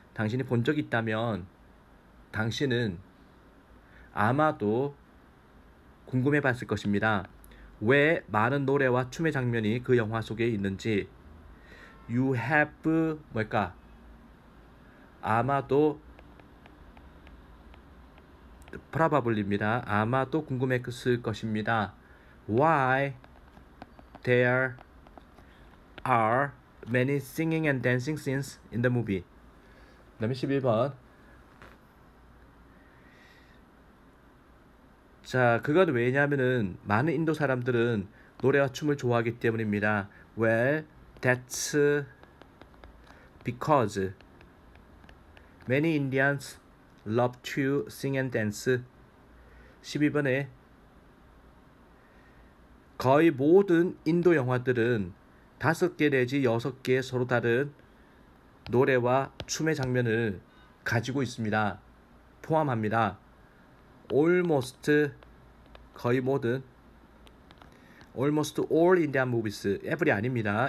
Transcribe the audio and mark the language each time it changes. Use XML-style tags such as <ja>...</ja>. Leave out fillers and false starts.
<ko>당신이 본 적이 있다면 당신은 아마도 궁금해 봤을 것입니다. 왜 많은 노래와 춤의 장면이 그 영화 속에 있는지.</ko> <en>You have</en> <ko>뭘까? 아마도 probably입니다. 아마도 궁금했을 것입니다.</ko> <en>Why there are many singing and dancing scenes in the movie?</en> <ko>그 다음에 11번. 자, 그건 왜냐면은 많은 인도 사람들은 노래와 춤을 좋아하기 때문입니다.</ko> <en>Well, that's because many Indians love to sing and dance.</en> <ko>12번에 거의 모든 인도 영화들은 5개 내지 6개의 서로 다른 노래와 춤의 장면을 가지고 있습니다. 포함합니다.</ko> <en>Almost</en> <ko>거의 모든</ko> <en>Almost all Indian movies. Every</en> <ko>아닙니다.</ko>